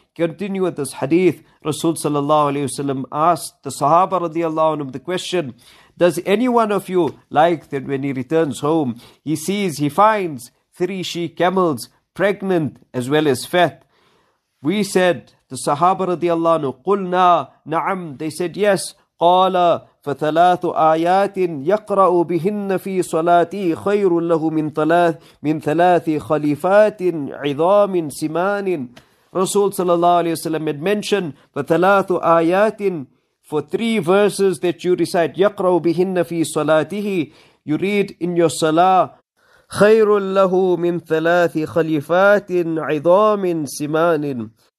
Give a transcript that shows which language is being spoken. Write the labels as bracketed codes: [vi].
[en] Continue with this hadith. Rasul sallallahu alayhi wa sallam asked the Sahaba radiallahu anhum the question, "Does any one of you like that when he returns home, he finds three she camels pregnant as well as fat?" We said, the Sahaba radiallahu anhum, [ar] "Qulna na'am," [en] they said yes. [ar] "Qala فثلاث آيات يقرأ بهن في صلاته خير له من ثلاث خليفات عظام سمان." [en] Rasul sallallahu alayhi wa sallam had mentioned [ar] فثلاث آيات, [en] for three verses that you recite, [ar] يقرأ بهن في صلاته, [en] you read in your salah, [ar] خير له من ثلاث خليفات عظام سمان.